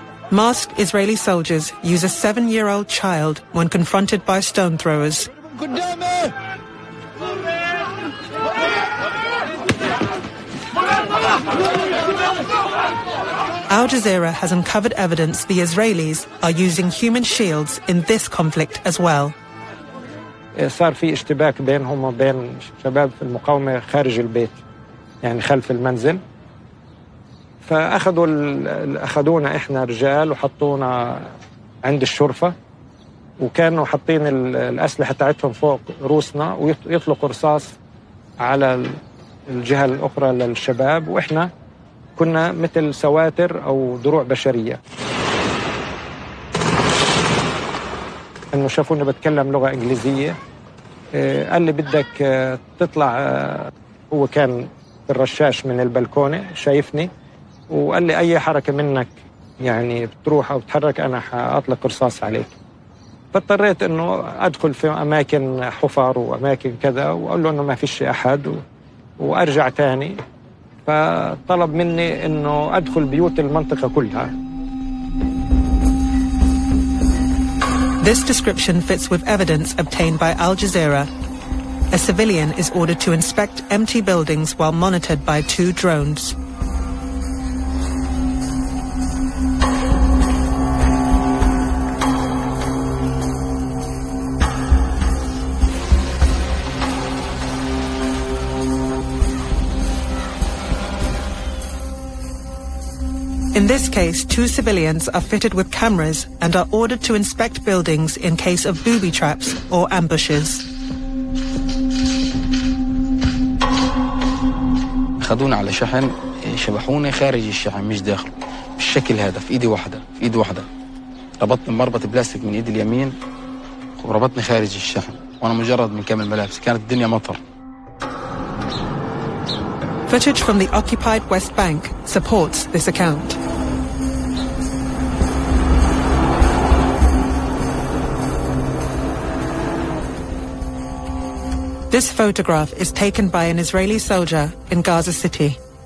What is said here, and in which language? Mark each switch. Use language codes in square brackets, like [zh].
[en] Masked Israeli soldiers use a 7-year-old child when confronted by stone throwers. Al Jazeera has uncovered evidence the Israelis are using human shields in this conflict as well. [ar] صار في اشتباك بينهم وبين شباب في المقاومة خارج البيت يعني خلف المنزل فأخذوا أخذونا إحنا رجال وحطونا عند الشرفة وكانوا حاطين الأسلحة تاعتهم فوق روسنا ويطلقوا رصاص على الجهة الأخرى للشباب وإحنا كنا مثل سواتر أو دروع بشرية إنه شافونا بتكلم لغة إنجليزية قال لي بدك تطلع هو كان الرشاش من البلكونة شايفني وقال لي أي حركة منك يعني بتروح أو بتحرك أنا حأطلق رصاص عليك فاضطريت أنه أدخل في أماكن حفار وأماكن كذا وأقول له أنه ما فيش أحد وأرجع تاني فطلب مني أنه أدخل بيوت المنطقة كلها [en] This description fits with evidence obtained by Al Jazeera. A civilian is ordered to inspect empty buildings while monitored by two drones. In this case, two civilians are fitted with cameras and are ordered to inspect buildings in case of booby traps or ambushes. [ar] خدونا على شحن شبحوني خارج الشحن مش داخل بالشكل هذا في ايدي واحدة في ايد واحدة ربطنا مربط بلاستيك من ايدي اليمين وربطني خارج الشحن وانا مجرد من كامل ملابسي كانت الدنيا مطر. [en] Footage from the occupied West Bank supports this account. This photograph is taken by an Israeli soldier in Gaza City.